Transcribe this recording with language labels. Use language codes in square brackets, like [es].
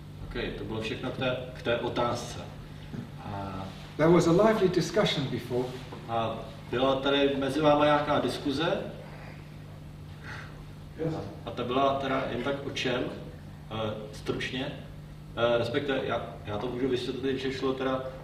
[cs] Okay, to bylo všechno k té otázce. [en] There was a lively discussion before. [cs] A byla tady mezi váma nějaká diskuze? [en] Yes. [cs] A to byla teda jen tak o čem? Stručně? Respektive, já to můžu vysvětlit, že šlo teda...